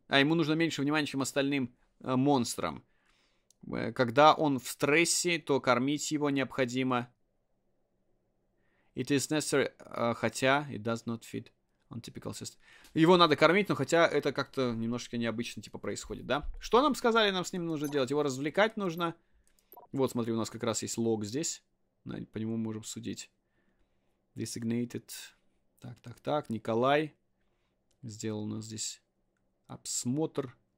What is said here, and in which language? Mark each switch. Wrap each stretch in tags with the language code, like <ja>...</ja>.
<ru>А, ему нужно меньше внимания, чем остальным монстрам. Когда он в стрессе, то кормить его необходимо.</ru> <en>It is necessary...</en> <ru>хотя...</ru> <en>It does not fit on typical system.</en> <ru>Его надо кормить, но хотя это как-то немножечко необычно типа происходит, да? Что нам сказали, нам с ним нужно делать? Его развлекать нужно. Вот, смотри, у нас как раз есть лог здесь. По нему можем судить. Designated. Так, так, так. Николай. Сделал у нас здесь обсмотр.</ru>